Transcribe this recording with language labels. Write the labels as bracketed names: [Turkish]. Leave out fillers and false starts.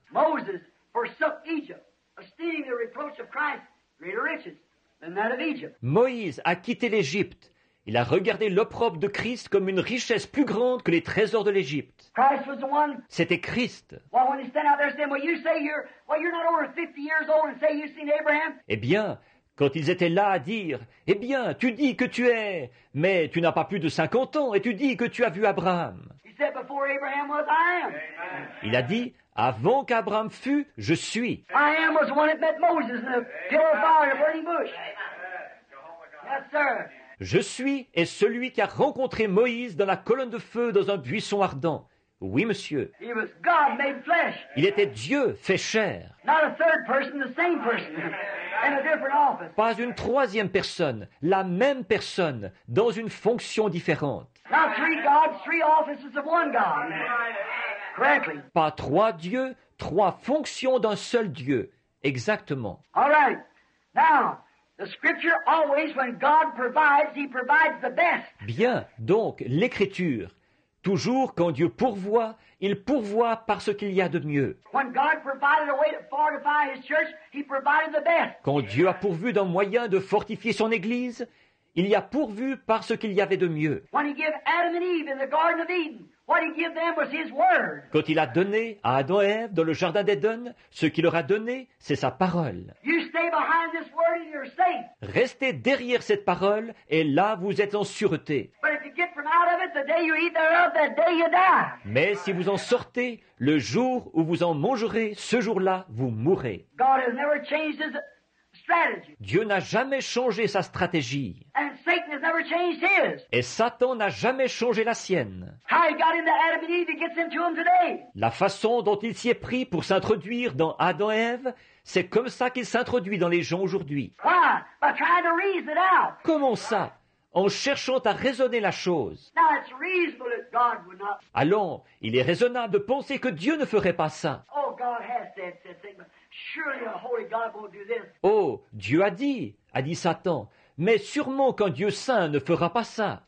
[English] Moses forsook Egypt, esteeming the reproach of Christ greater riches than that of Egypt. [French] Moïse a quitté l'Égypte. Il a regardé l'opprobre de Christ comme une richesse plus grande que les trésors de l'Égypte. [English] Christ was the one. [French] C'était Christ. [English] Well, when you stand out there saying, "Well, you say you're, well, you're not over 50 years old, and say you've seen Abraham." [French] Eh bien, quand ils étaient là à dire, eh bien, tu dis que tu es, mais tu n'as pas plus de 50 ans et tu dis que tu as vu Abraham. [English] He said, "Before Abraham was, I am." [French] Il a dit, avant qu'Abraham fût, je suis. [English] I am was the one that met Moses in the pillar of fire, burning bush. Yes, sir. [French] Je suis est celui qui a rencontré Moïse dans la colonne de feu dans un buisson ardent. Oui, monsieur. [English] He was God made flesh. [French] Il était Dieu fait chair. [English] Not a third person, the same person, in a different office. [French] Pas une troisième personne, la même personne, dans une fonction différente. [English] Not three gods, three offices of one God. Correctly. [French] Pas trois dieux, trois fonctions d'un seul Dieu. Exactement. [English] All right. Now, the scripture always, when God provides, he provides the best. [French] Bien, donc, l'écriture. Toujours quand Dieu pourvoit, il pourvoit parce qu'il y a de mieux. [English] When God provided a way to fortify his church, he provided the best. [French] Quand Dieu a pourvu d'un moyen de fortifier son église, il y a pourvu parce qu'il y avait de mieux. [English] When he gave Adam and Eve in the Garden of Eden, what he gave them was his word. [French] Quand il a donné à Adam et Ève dans le jardin d'Éden, ce qu'il leur a donné, c'est sa parole. [English] You stay behind this word and you're safe. [French] Restez derrière cette parole et là vous êtes en sûreté. [English] But if you get from out of it, the day you eat thereof, that day you die. [French] Mais si vous en sortez, le jour où vous en mangerez, ce jour-là, vous mourrez. [English] God has never changed his strategy. [French] Dieu n'a jamais changé sa stratégie. [English] And Satan has never changed his. [French] Et Satan n'a jamais changé la sienne. [English] How he got into Adam and Eve, he gets into them today. [French] La façon dont il s'y est pris pour s'introduire dans Adam et Ève, c'est comme ça qu'il s'introduit dans les gens aujourd'hui. [English] Why? By trying to reason it out. [French] Comment ça? En cherchant à raisonner la chose. [English] Now, it's reasonable that God would not. [French] Allons, il est raisonnable de penser que Dieu ne ferait pas ça. [English] Oh, God has said, said Satan. Surely a holy God won't do this. [French] Oh, Dieu a dit Satan, mais sûrement qu'un Dieu saint ne fera pas ça.